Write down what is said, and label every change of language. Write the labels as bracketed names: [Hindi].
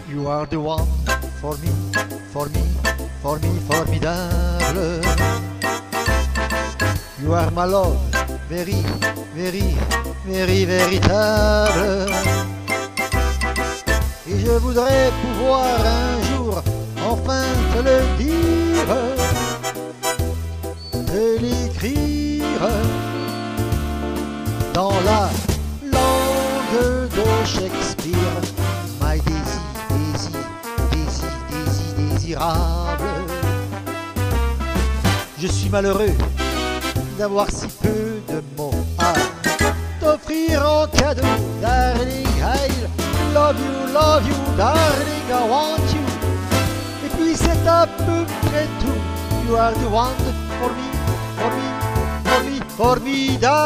[English] are the one for me, for me, for me, formidable. You are my love, very, very, very, véritable. [French] Et je voudrais pouvoir un jour enfin te le dire, te l'écrire dans la langue de Shakespeare. [English] My Daisy, Daisy, Daisy, Daisy, désirable. [French] Je suis malheureux d'avoir si peu de mots à t'offrir en cadeau. [English] Darling, I love you, darling, I want you. [French] Et puis c'est à peu près tout. [English] You are the one for me, for me, for me, formidable.